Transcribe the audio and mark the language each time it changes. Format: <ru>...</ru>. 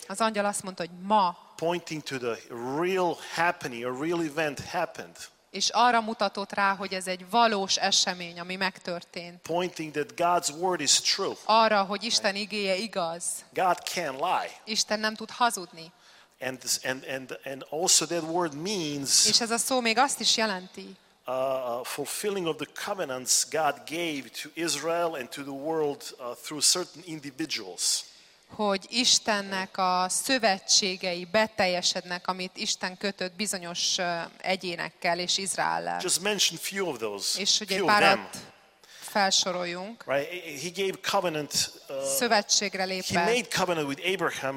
<hu>Az angyal azt mondta, hogy ma.</hu> <en>pointing to the real happening, a real event happened.</en> <hu>És arra mutatott rá, hogy ez egy valós esemény, ami megtörtént.</hu> <en>Pointing that God's word is true.</en> <hu>Arra, hogy Isten igéje igaz.</hu> <en>God can't lie.</en> <hu>Isten nem tud hazudni.</hu> <en>And also that word means.</en> <hu>És ez a szó még azt is jelenti.</hu> <en>Fulfilling of the covenants God gave to Israel and to the world through certain individuals.</en> <hu>Hogy Istennek a szövetségei beteljesednek, amit Isten kötött bizonyos egyénekkel és Izraellel.</hu> <en>Just mention few of those.</en> <hu>És hogy egy párat felsoroljunk.</hu> <en>Right, he gave covenant.</en> <hu>Szövetségre lépett.</hu> <en>He made covenant with Abraham.</en>